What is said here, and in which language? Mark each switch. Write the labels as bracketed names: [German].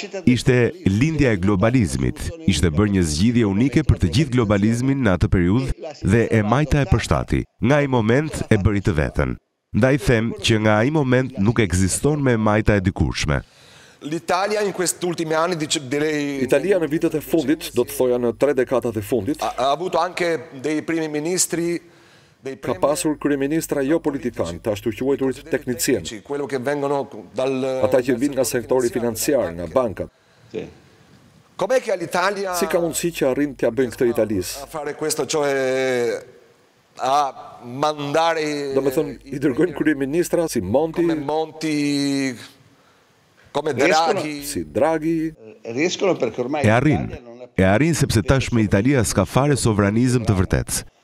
[Albanian] Ishte lindja e globalizmit, ishte bërë një zgjidhje unike për të gjithë globalizmin në atë periudhë dhe e majta e përshtati. Nga ai moment e bëri të vetën. Ndaj them që nga ai moment nuk ekziston më e majta e dikurshme. [Italian] L'Italia in questi ultimi anni dice direi [Albanian] Italia në vitet e fundit, do të thoja në 3 dekadat e fundit, [Italian] ha avuto anche dei primi ministri dei [Albanian] premier, ka pasur kryeministra jo politikan, të ashtu quajturit teknicien. [Italian] Quello che vengono dal [Albanian] ata që vijnë nga sektori financiar, nga bankat. [Italian] Sì. Com'è che l'Italia [Albanian] si ka mundsi që arrin t'ia bëjnë këtë Italis? [Italian] A fare questo cioè a mandare [Albanian] do të thon i dërgojnë kryeministra si Monti, [Italian] come Monti, come Draghi, [Albanian] si Draghi. [Italian] Riescono perché ormai [Albanian] e arrin. E arrin sepse tashmë Italia s'ka fare sovranizëm të vërtet.